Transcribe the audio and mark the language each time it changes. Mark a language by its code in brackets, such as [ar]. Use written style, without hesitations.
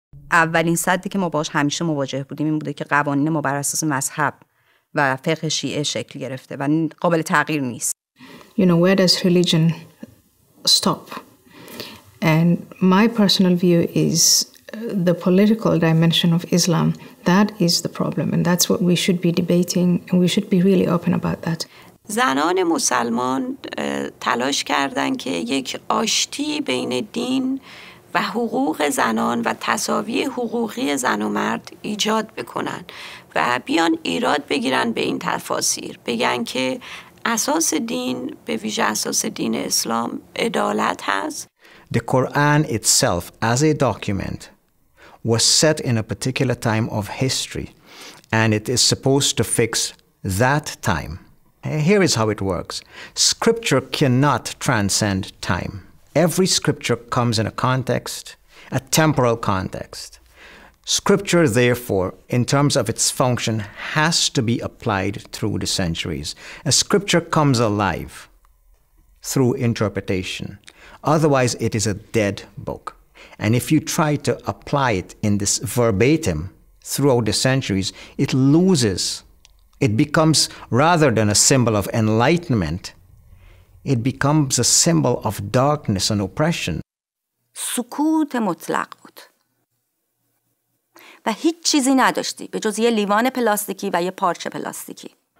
[fa] اولین صدی که ما باش همیشه مواجه بودیم این بوده که قوانین ما بر اساس مذهب و فقه شیعه شکل گرفته و قابل تغییر نیست. [en] You know, where does religion stop? And my personal view is the political dimension of Islam, that is the problem and that's what we should be debating and we should be really open about that. [fa] زنان مسلمان تلاش کردن که یک آشتی بین دین و حقوق زنان و تساوی حقوقی زن و مرد ایجاد بکنن و بیان ایراد بگیرن به این تفاسیر، بگن که اساس دین به ویژه اساس دین اسلام عدالت هست. [en] The Quran itself as a document was set in a particular time of history and it is supposed to fix that time. Here is how it works. Scripture cannot transcend time. Every scripture comes in a context, a temporal context. Scripture, therefore, in terms of its function, has to be applied through the centuries. A scripture comes alive through interpretation. Otherwise, it is a dead book. And if you try to apply it in this verbatim throughout the centuries, it loses. It becomes, rather than a symbol of enlightenment, it becomes a symbol of darkness and oppression. [fa] سکوت مطلق بود. و هیچ چیزی نداشتی به جز یه لیوان پلاستیکی و یه پارچه پلاستیکی.